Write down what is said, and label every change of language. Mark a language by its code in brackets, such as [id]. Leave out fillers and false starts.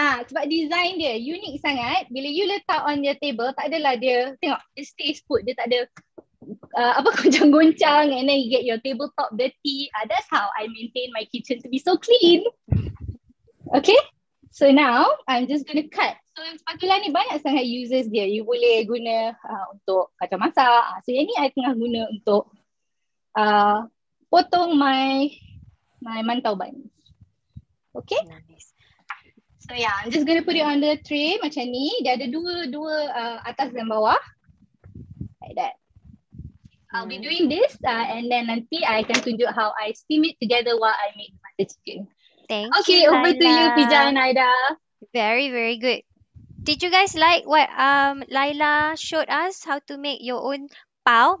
[ms] Sebab design dia unique sangat. Bila you letak [en] on your table, [ms] tak adalah dia, tengok, [en] it stays put. [ms] Dia tak ada goncang-goncang, [en] and then you get your tabletop dirty. That's how I maintain my kitchen to be so clean. Okay, so now I'm just going to cut. [ms] So spatula ni banyak sangat uses dia. You boleh guna untuk kacang masak. So yang ni I tengah guna untuk potong my mantau buns. Okay. [en] So yeah, I'm just going to put it on the tray [ms] macam ni. Dia ada dua atas dan bawah. [en] Like that. I'll be doing this and then [ms] nanti I akan tunjuk [en] how I steam it together while I make my the chicken. Thank okay, you. Okay, over Laila. To you, Pija and Aida. Very, very good. Did you guys like what Laila showed us how to make your own pau?